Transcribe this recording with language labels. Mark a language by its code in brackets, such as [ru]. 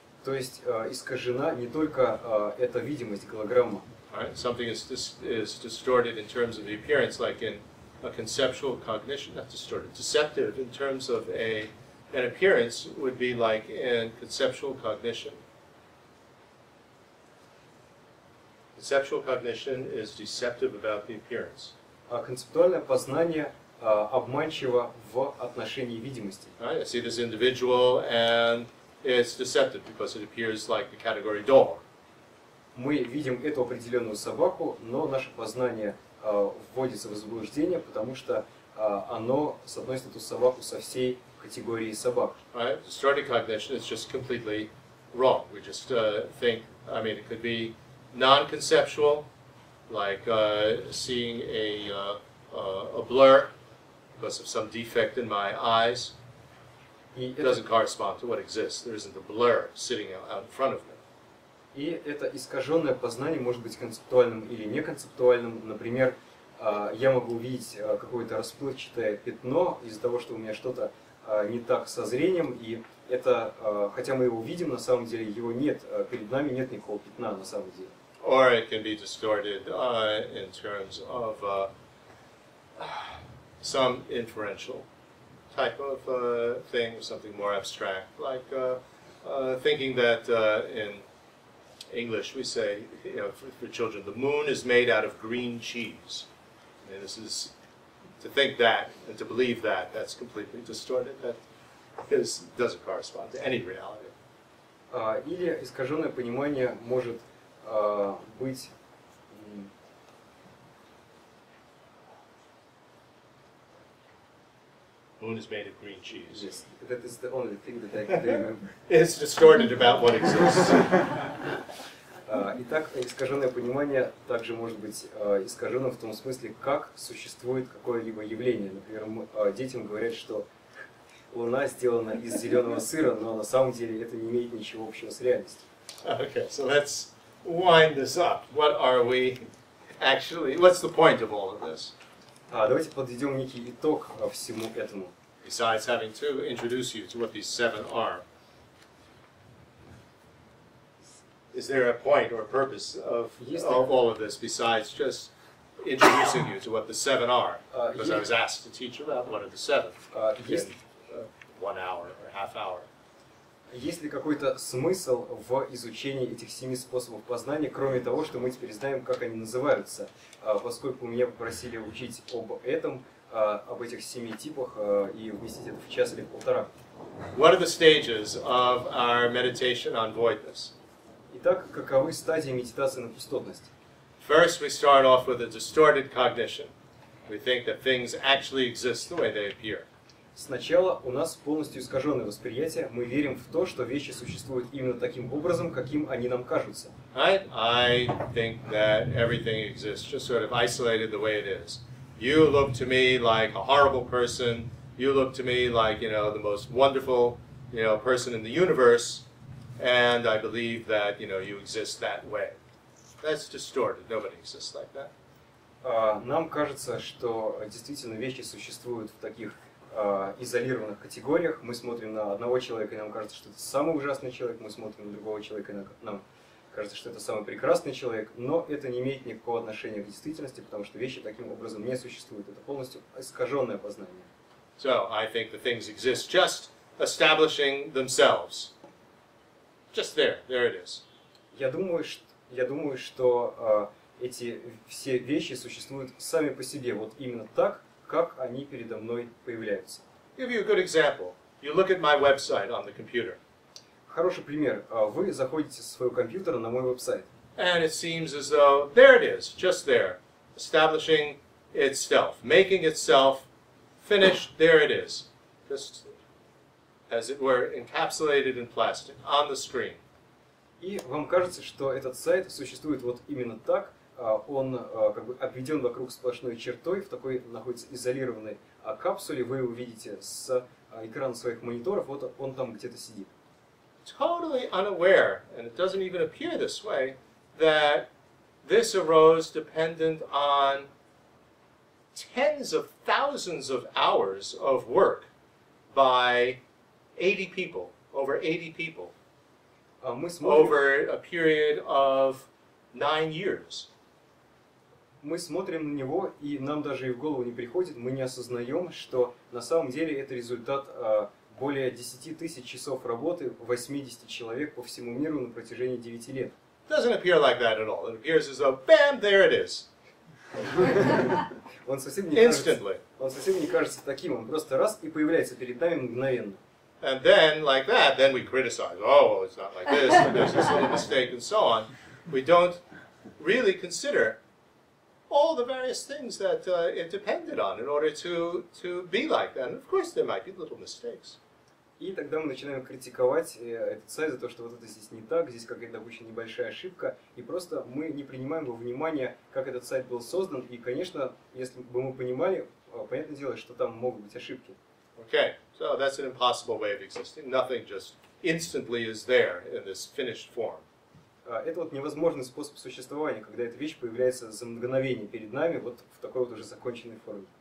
[ru] То есть искажена не только эта видимость, голограмма. [en] Right. Something is distorted in terms of the appearance, like in a conceptual cognition, not distorted, deceptive in terms of an appearance would be like in conceptual cognition. Conceptual cognition is deceptive about the appearance. [ru] Концептуальное познание обманчиво в отношении видимости. [en] Right. I see this individual and it's deceptive because it appears like the category dog. [ru] Мы видим эту определенную собаку, но наше познание вводится в заблуждение, потому что оно соотносит эту собаку со всей категорией собак. [en] Right. Distorted cognition is just completely wrong. We just think, I mean, it could be non-conceptual, like seeing a blur because of some defect in my eyes. It doesn't correspond to what exists. There isn't a blur sitting out in front of me. [ru] И это искаженное познание может быть концептуальным или неконцептуальным. Например, я могу увидеть какое-то расплывчатое пятно из-за того, что у меня что-то не так со зрением. И это, хотя мы его видим, на самом деле его нет. Перед нами нет никакого пятна на самом деле. [en] Or it can be distorted in terms of some inferential type of thing, something more abstract, like thinking that in English, we say, you know, for children, the moon is made out of green cheese. And this is, to think that, and to believe that, that's completely distorted. That is, doesn't correspond to any reality. [ru] Или искаженное понимание может быть... [en] Moon is made of green cheese. Yes, that is the only thing that I can remember. It's distorted about what exists. [ru] Итак, искаженное понимание также может быть искаженным в том смысле, как существует какое-либо явление. Например, детям говорят, что Луна сделана из зеленого сыра, но на самом деле это не имеет ничего общего с реальностью. [en] Okay, so let's wind this up. What are we actually... What's the point of all of this? [ru] Давайте подведем некий итог всему этому. [en] Besides having to introduce you to what these seven are. Is there a point or a purpose of all of this besides just introducing you to what the seven are? Because I was asked to teach about what are the seven in 1 hour or half hour. [ru] Есть ли какой-то смысл в изучении этих семи способов познания, кроме того, что мы теперь знаем, как они называются? Поскольку меня попросили учить об этом, об этих семи типах, и вместить это в час или в полтора. [en] What are the stages of our meditation on voidness? [ru] Итак, каковы стадии медитации на пустотность? [en] First, we start off with a distorted cognition. We think that things actually exist the way they appear. [ru] Сначала у нас полностью искаженное восприятие. Мы верим в то, что вещи существуют именно таким образом, каким они нам кажутся. [en] Right? I think that everything exists just sort of isolated the way it is. You look to me like a horrible person. You look to me like, you know, the most wonderful, you know, person in the universe. And I believe that, you know, you exist that way. That's distorted. Nobody exists like that. [ru] Нам кажется, что действительно вещи существуют в таких изолированных категориях. Мы смотрим на одного человека, и нам кажется, что это самый ужасный человек. Мы смотрим на другого человека, и нам кажется, что это самый прекрасный человек. Но это не имеет никакого отношения к действительности, потому что вещи таким образом не существуют. Это полностью искаженное познание. [en] So, I think the things exist just establishing themselves. Just there, there it is. [ru] Я думаю, что я думаю, что эти все вещи существуют сами по себе, вот именно так, как они передо мной появляются. [en] Give you a good example. You look at my website on the computer. [ru] Хороший пример. Вы заходите со своего компьютера на мой веб-сайт. [en] And it seems as though there it is, just there, establishing itself, making itself finished. There it is, just as it were, encapsulated in plastic on the screen. [ru] И вам кажется, что этот сайт существует вот именно так? Он как бы обведен вокруг сплошной чертой, в такой находится изолированной капсуле. Вы его видите с экрана своих мониторов, вот он там где-то сидит. [en] Totally unaware, and it doesn't even appear this way, that this arose dependent on tens of thousands of hours of work by 80 people, over 80 people, over a period of 9 years. [ru] Мы смотрим на него, и нам даже и в голову не приходит, мы не осознаем, что на самом деле это результат более 10 тысяч часов работы 80 человек по всему миру на протяжении 9 лет. [en] Doesn't appear like that at all. It appears as though, bam, there it is. [ru] Он совсем не [en] Instantly. [ru] Кажется, он совсем не кажется таким, он просто раз и появляется перед нами мгновенно. [en] And then, like that, then we criticize. Oh, well, it's not like this, and there's this little mistake, and so on. We don't really consider all the various things that it depended on in order to be like that. And of course, there might be little mistakes. [ru] И тогда мы начинаем критиковать этот сайт за то, что вот это здесь не так, здесь какая-то очень небольшая ошибка, и просто мы не принимаем во внимание, как этот сайт был создан. И, конечно, если бы мы понимали, понятное дело, что там могут быть ошибки. [en] Okay, so that's an impossible way of existing. Nothing just instantly is there in this finished form. [ru] Это вот невозможный способ существования, когда эта вещь появляется за мгновение перед нами, вот в такой вот уже законченной форме.